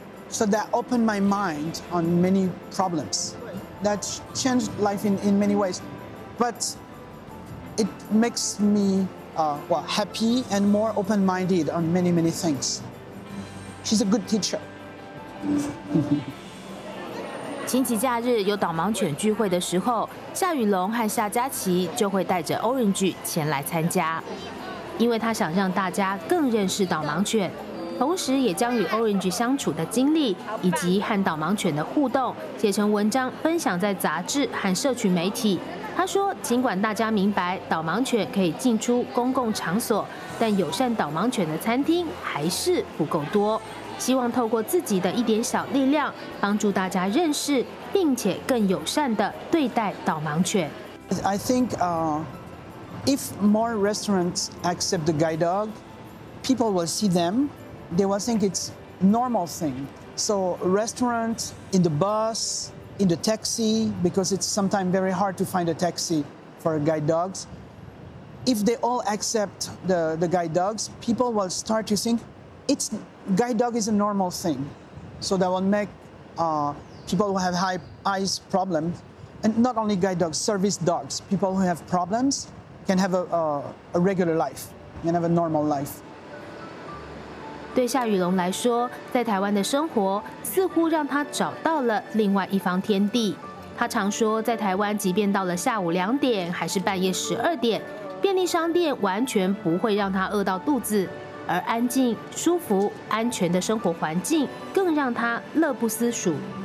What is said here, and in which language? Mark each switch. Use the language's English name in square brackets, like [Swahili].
[English] So that opened my mind on many problems. That changed life in many ways, but it makes me happy and more open-minded on many, many things. She's a good teacher. [Chinese] 星期假日有导盲犬聚会的时候，夏雨龙和夏佳琪就会带着 Orange 前来参加，因为他想让大家更认识导盲犬。同时也将与 Orange 相处的经历以及和导盲犬的互动写成文章，分享在杂志和社群媒体。他说，尽管大家明白导盲犬可以进出公共场所，但友善导盲犬的餐厅还是不够多，希望透过自己的一点小力量，帮助大家认识并且更友善地对待导盲犬。 [English] I think if more restaurants accept the guide dog, people will see themThey will think it's a normal thing. So restaurant, in the bus, in the taxi, because it's sometimes very hard to find a taxi for guide dogs. If they all accept the guide dogs, people will start to think it's guide dog is a normal thing. So that will make people who have high eyes problem. And not only guide dogs, service dogs. People who have problems can have a regular life, can have a normal life. [Chinese] 对夏雨龙来说，在台湾的生活似乎让他找到了另外一方天地。他常说，在台湾即便到了下午两点，还是半夜十二点，便利商店完全不会让他饿到肚子，而安静、舒服、安全的生活环境更让他乐不思蜀。